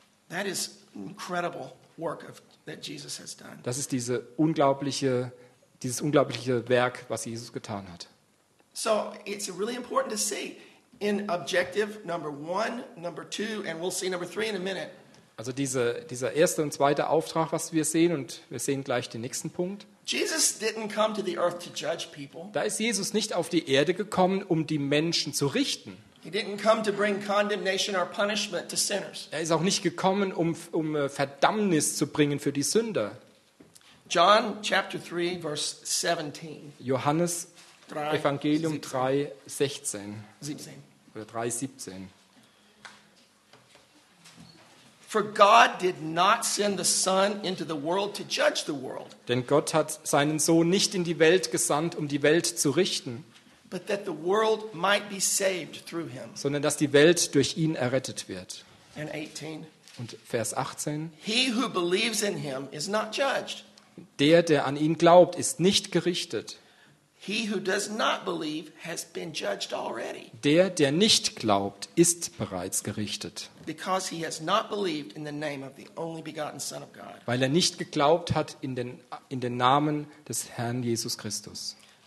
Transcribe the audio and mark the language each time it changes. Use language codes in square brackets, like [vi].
[en] That is incredible work that Jesus has done. [de] Das ist diese unglaubliche dieses unglaubliche Werk, was Jesus getan hat. [en] So it's really important to see in objective number one, number two, and we'll see number three in a minute. [de] Also dieser erste und zweite Auftrag, was wir sehen, und wir sehen gleich den nächsten Punkt. [en] Jesus didn't come to the earth to judge people. [de] Da ist Jesus nicht auf die Erde gekommen, um die Menschen zu richten. [en] He didn't come to bring condemnation or punishment to sinners. [de] Er ist auch nicht gekommen, um Verdammnis zu bringen für die Sünder. [en] John chapter 3 verse 17. [de] Johannes 3, Evangelium 17. 3 16. 17. Oder 3 17. [en] For God did not send the Son into the world to judge the world. [de] Denn Gott hat seinen Sohn nicht in die Welt gesandt, um die Welt zu richten. [en] But that the world might be saved through him. [de] Sondern dass die Welt durch ihn errettet wird. [en] And 18. [de] Und Vers 18. [en] He who believes in him is not judged. [de] Der an ihn glaubt, ist nicht gerichtet. [en] He who does not believe has been judged already. [de] Der nicht glaubt, ist bereits gerichtet. [en] Because he has not believed in the name of the only begotten Son of God. [de] Weil nicht geglaubt hat in den Namen des Herrn Jesus Christus.